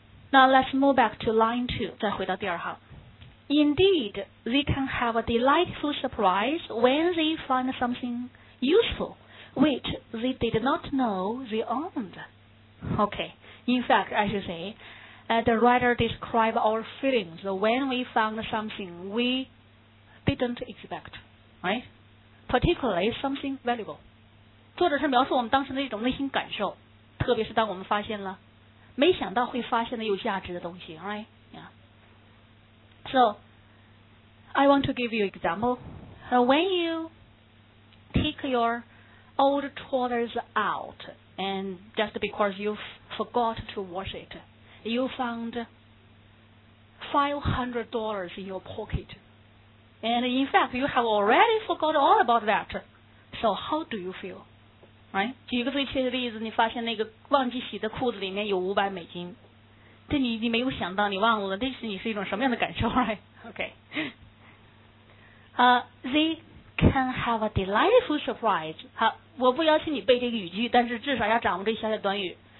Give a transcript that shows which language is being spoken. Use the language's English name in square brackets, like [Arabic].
[English] Now let's move back to line 2 [Chinese] 再回到第二行 [English] Indeed they can have a delightful surprise when they find something useful which they did not know they owned Okay In fact I should saythe writer describes our feelings when we found something we didn't expect, right? Particularly something valuable. [Chinese] 作者是描述我们当时的一种内心感受，特别是当我们发现了没想到会发现的有价值的东西 ， [English] right? Yeah. So, I want to give you example. When you take your old trousers out, and just because you forgot to wash it. You found $500 in your pocket. And in fact, you have already forgot all about that. So how do you feel? Right? [Chinese] 举个最切的例子，你发现那个忘记洗的裤子里面有$500。这你没有想到你忘了，这是你是一种什么样的感受 ？ [English] Right? Okay. They can have a delightful surprise. [Chinese] 好，我不要求你背这个语句，但是至少要掌握这小小短语。